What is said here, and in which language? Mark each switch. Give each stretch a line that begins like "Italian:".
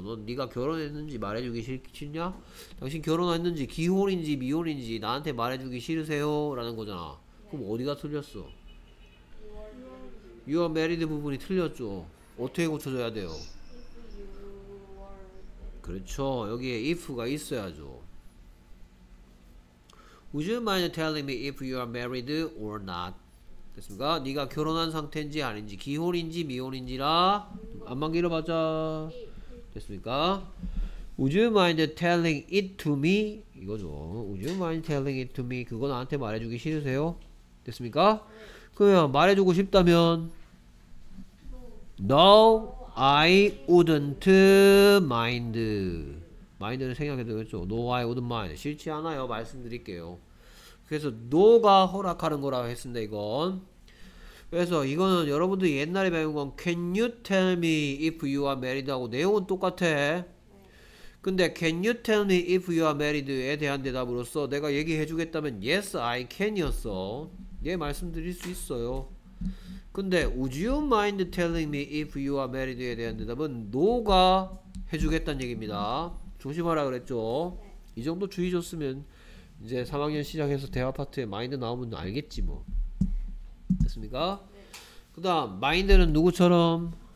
Korean: 너 네가 결혼했는지 말해주기 싫냐? 당신 결혼했는지 기혼인지 미혼인지 나한테 말해주기 싫으세요? 라는 거잖아. 그럼 어디가 틀렸어?
English: You are married
Korean: 부분이 틀렸죠. 어떻게 고쳐줘야 돼요? 그렇죠. 여기에 if가 있어야죠.
English: Would you mind telling me if you are married or not?
Korean: 됐습니까? 네가 결혼한 상태인지 아닌지 기혼인지 미혼인지라 안만 길어봤자 됐습니까?
English: Would you mind telling it to me? 이거죠. Would you mind telling it to me?
Korean: 그거 나한테 말해주기 싫으세요? 됐습니까? 그러면 말해주고 싶다면
English: No, I wouldn't mind.
Korean: Mind는 생각해도 되겠죠.
English: No, I wouldn't mind.
Korean: 싫지 않아요. 말씀드릴게요. 그래서 no가 허락하는 거라고 했습니다. 이건 그래서 이거는 여러분들이 옛날에 배운 건
English: Can you tell me if you are married?
Korean: 하고 내용은 똑같아.
English: 근데 Can you tell me if you are married?
Korean: 에 대한 대답으로서 내가 얘기해 주겠다면
English: Yes, I can
Korean: 이었어. 예, 말씀드릴 수 있어요.
English: 근데 Would you mind telling me if you are married?
Korean: 에 대한 대답은 No가 해주겠다는 얘기입니다. 조심하라 그랬죠. 이 정도 주의 줬으면 이제 3학년 시작해서 대화 파트에 마인드 나오면 알겠지 뭐. 됐습니까? 네. 그 다음 마인드는 누구처럼?